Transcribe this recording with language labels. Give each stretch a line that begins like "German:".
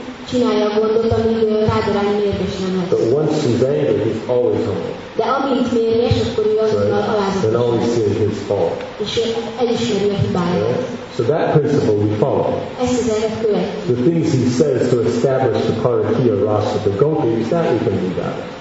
Hungarian: Csinálja a gondot, amíg Rádarány mérges nem lesz.
English: But once she's angry, he's always humble.
Hungarian: De amint mérges, akkor ő azonnal alázatos.
English: And always sees his fault.
Hungarian: És elismeri a hibáját.
English: Right? So that principle we follow. The things he says to establish the parakiya rasa, the gopis, that we can do that.